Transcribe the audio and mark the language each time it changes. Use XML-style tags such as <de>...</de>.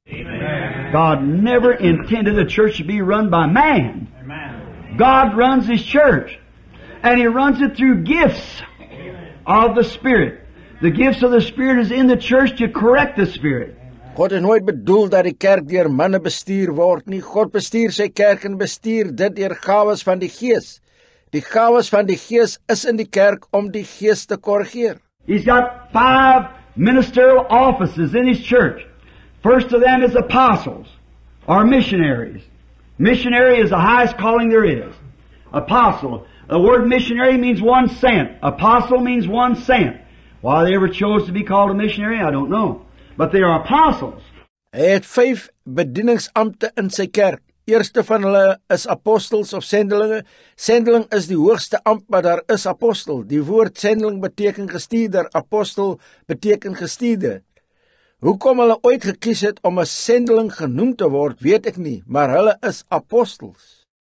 <en>Amen. God never intended the church to be run by man. God runs His church, and He runs it through gifts of the Spirit. The gifts of the Spirit is in the church to correct the Spirit.</en> <af>God het nooit bedoel dat die kerk deur manne bestuur word nie. God bestuur sy kerk en bestuur dit deur gawes van die Gees. Die gawes van die Gees is in die kerk om die Gees te korrigeer.</af> <en>He's got 5 ministerial offices in His church. First of them is apostles, or missionaries. Missionary is the highest calling there is. Apostle. The word missionary means one sent. Apostle means one sent. Why they ever chose to be called a missionary, I don't know. But they are apostles.</en> <af>Hy het 5 bedieningsamte in sy kerk. Eerste van hulle is apostels of sendelinge. Sendeling is die hoogste ambt, maar daar is apostel. Die woord sendeling beteken gestuurder, apostel beteken gestuurde. Hoekom hulle ooit gekies het om 'n sendeling genoem te word, weet ek nie, maar hulle is apostels.</af>